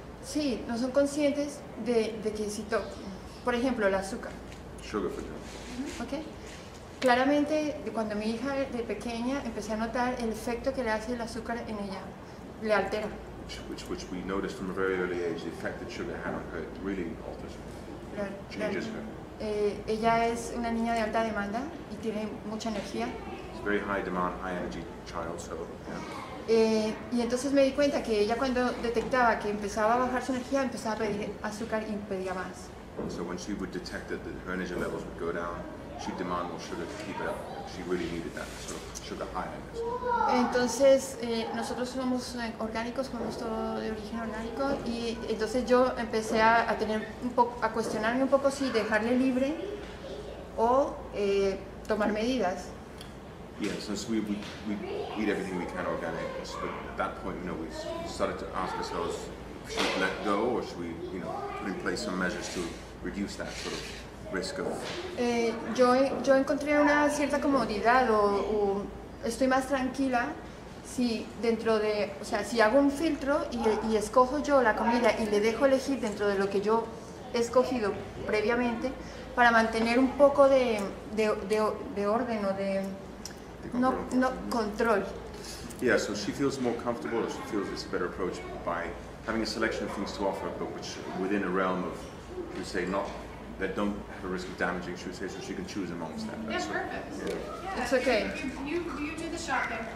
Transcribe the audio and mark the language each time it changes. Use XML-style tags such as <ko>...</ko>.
<es>Sí, no son conscientes de que si toquen, por ejemplo, el azúcar.</es> <en>Sugar, for example. Okay.</en> <es>Claramente, cuando mi hija de pequeña empecé a notar el efecto que le hace el azúcar en ella, le altera.</es> <en>Which we noticed from a very early age, the effect that sugar had on her really alters her, changes her.</en> <es>Ella es una niña de alta demanda y tiene mucha energía.</es> <en>It's a very high demand, high energy child, so, yeah.</en> <es>Y entonces me di cuenta que ella cuando detectaba que empezaba a bajar su energía, empezaba a pedir azúcar y pedía más.</es> <en>So when she would detect that her energy levels would go down, she'd demand more sugar to keep it up. She really needed that sort of sugar high, I guess.</en> <es>Entonces, nosotros somos orgánicos, somos todo de origen orgánico, y entonces yo empecé a tener un poco, a cuestionarme un poco si dejarle libre o tomar medidas.</es> <en>Yeah, since we eat everything we can organic, so at that point, you know, we started to ask ourselves, should we let go, or should we, you know, put in place some measures to reduce that sort of risk of...</en> <es>Yo encontré una cierta comodidad, o estoy más tranquila si dentro de, o sea, si hago un filtro y escojo yo la comida y le dejo elegir dentro de lo que yo he escogido previamente, para mantener un poco de orden o de...</es> <en>Control. Control. Yeah, so she feels more comfortable, or she feels it's a better approach by having a selection of things to offer, but which within a realm of, you say, not that don't have a risk of damaging, she would say, so she can choose amongst that. Yeah, perfect. Yeah. It's okay. You do the shopping.</en>